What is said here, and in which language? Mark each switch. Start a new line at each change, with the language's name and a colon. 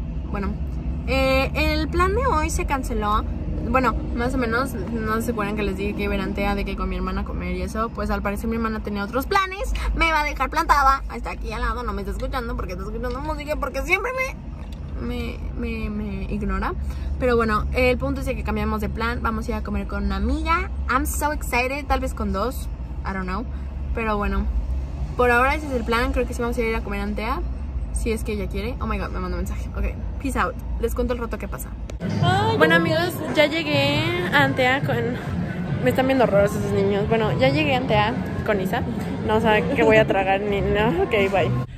Spanish: Bueno, el plan de hoy se canceló. Bueno, más o menos, no se acuerdan que les dije que verantea de que con mi hermana comer y eso. Pues al parecer mi hermana tenía otros planes. Me va a dejar plantada. Está aquí al lado, no me está escuchando porque está escuchando música. Porque siempre me ignora. Pero bueno, el punto es que cambiamos de plan. Vamos a ir a comer con una amiga.
English: I'm so excited,
Spanish: tal vez con dos,
English: I don't know.
Spanish: Pero bueno, por ahora ese es el plan, creo que sí vamos a ir a comer Antea, si es que ella quiere.
English: Oh my god,
Spanish: me mandó mensaje. Ok,
English: peace out.
Spanish: Les cuento el rato que pasa. Bueno amigos, ya llegué a Antea con... Me están viendo raros esos niños. Bueno, ya llegué a Antea con Isa. No o sabe qué voy a tragar ni nada. No. Ok, bye.